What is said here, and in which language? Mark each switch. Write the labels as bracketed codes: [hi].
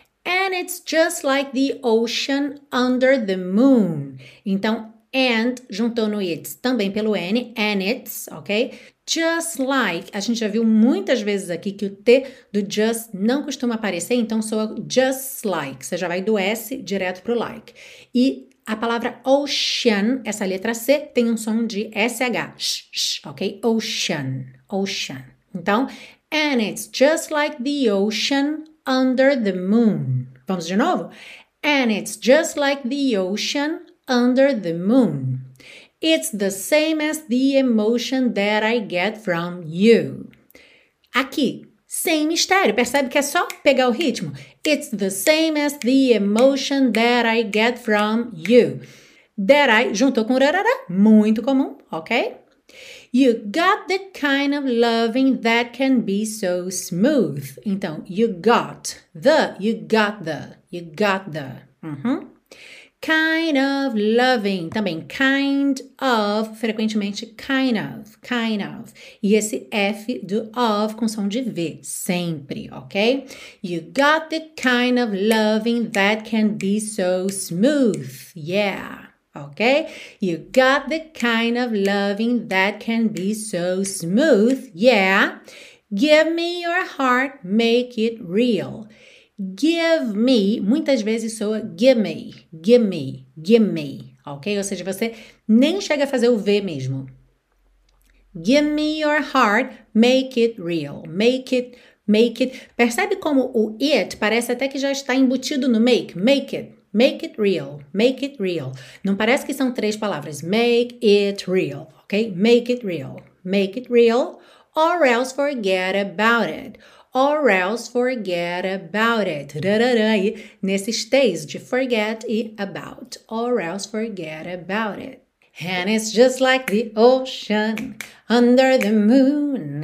[en] And it's just like the ocean under the moon. [pt] Então, and juntou no it's, também pelo N, [en] and it's, [pt] ok? Just like, a gente já viu muitas vezes aqui que o T do just não costuma aparecer, então soa [en] just like, [pt] você já vai do S direto pro like. E a palavra ocean, essa letra C, tem um som de SH, sh, sh, ok? [en] Ocean, ocean. Então, and it's just like the ocean under the moon. [pt] Vamos de novo? [en] And it's just like the ocean under the moon. It's the same as the emotion that I get from you. [pt] Aqui, sem mistério, percebe que é só pegar o ritmo? [en] It's the same as the emotion that I get from you. That I, [pt] juntou com rarara, muito comum, [en] ok? You got the kind of loving that can be so smooth. Então, you got the. Uhum. Kind of loving, também kind of, frequentemente kind of. [pt] E esse F do of com som de V, sempre, ok? [en] You got the kind of loving that can be so smooth, yeah, ok? You got the kind of loving that can be so smooth, yeah. Give me your heart, make it real. Give me, [pt] muitas vezes soa [en] give me, ok? [pt] Ou seja, você nem chega a fazer o V mesmo. [en] Give me your heart, make it real, make it. [pt] Percebe como o it parece até que já está embutido no [en] make it real. [pt] Não parece que são três palavras, [en] make it real, [pt] ok? [en] Make it real, or else forget about it. Or else forget about it. [pt] Nesses T's de [en] forget e about. Or else forget about it. And it's just like the ocean under the moon.